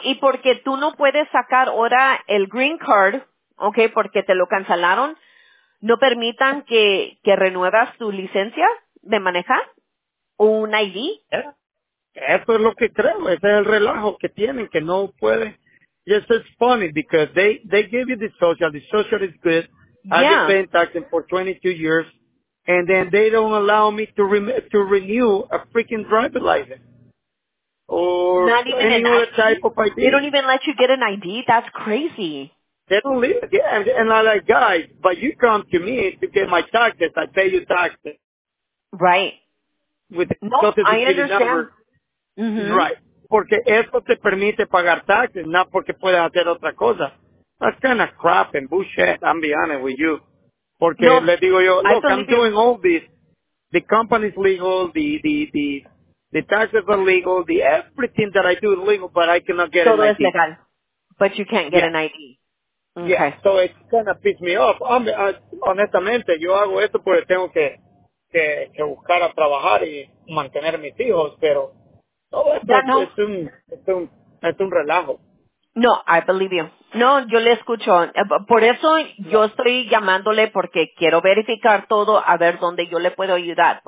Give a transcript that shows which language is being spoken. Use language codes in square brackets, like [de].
[es] Y porque tú no puedes sacar ahora el green card, okay, porque te lo cancelaron, ¿no permitan que renuevas tu licencia de manejar? ¿Un ID? Eso es lo que creo. Ese es el relajo que tienen, que no puede. [en] Yes, it's funny because they give you the social. The social is good. Yeah. I've been taxing for 22 years, and then they don't allow me to renew a freaking driver's license or any other type of ID. They don't even let you get an ID. That's crazy. They don't leave. Yeah, and I'm like, guys, but you come to me to get my taxes. I pay you taxes. Right. With the no, Social Security I understand. Number. Mm-hmm. [es] Right. Porque eso te permite pagar taxes, no porque puedes hacer otra cosa. [en] That's kind of crap and bullshit, I'm being honest with you. [es] Porque no, les digo yo, [en] look, I'm doing all this. The company's legal, the taxes are legal, the everything that I do is legal, but I cannot get an ID. [es] Todo es legal, [en] but you can't get an ID. Okay. Yeah, so it kind of pissed me off. [es] Honestamente, yo hago esto porque tengo que buscar a trabajar y mantener mis hijos, pero todo esto es un relajo. [en] No, I believe you. [es] No, yo le escucho. Por eso yo estoy llamándole, porque quiero verificar todo, a ver dónde yo le puedo ayudar.